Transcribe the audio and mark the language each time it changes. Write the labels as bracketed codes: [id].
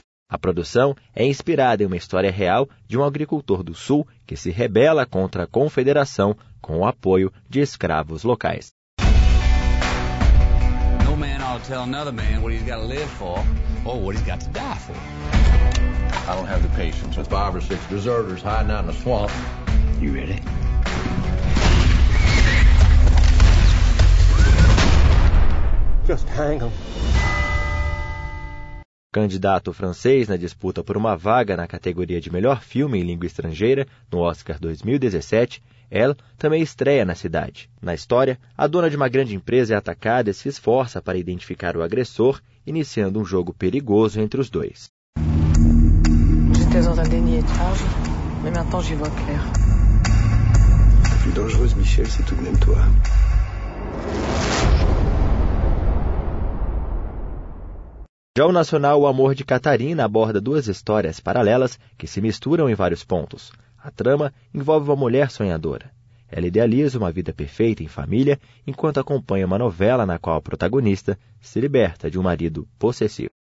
[pt] A produção é inspirada em uma história real de um agricultor do Sul que se rebela contra a Confederação com o apoio de escravos locais. [en] No man ought to tell another man what he's got to live for or what he's got to die for. I don't have the patience with five or six deserters hiding out in a swamp. You ready? Just hang him. [pt] Candidato francês na disputa por uma vaga na categoria de melhor filme em língua estrangeira no Oscar 2017, Elle também estreia na cidade. Na história, a dona de uma grande empresa é atacada e se esforça para identificar o agressor, iniciando um jogo perigoso entre os dois. [fr] J'étais en train de nier de charge, mais maintenant j'y vois clair. La plus dangereuse, Michel, c'est tout de même toi. [pt] Já o nacional O Amor de Catarina aborda duas histórias paralelas que se misturam em vários pontos. A trama envolve uma mulher sonhadora. Ela idealiza uma vida perfeita em família, enquanto acompanha uma novela na qual a protagonista se liberta de um marido possessivo.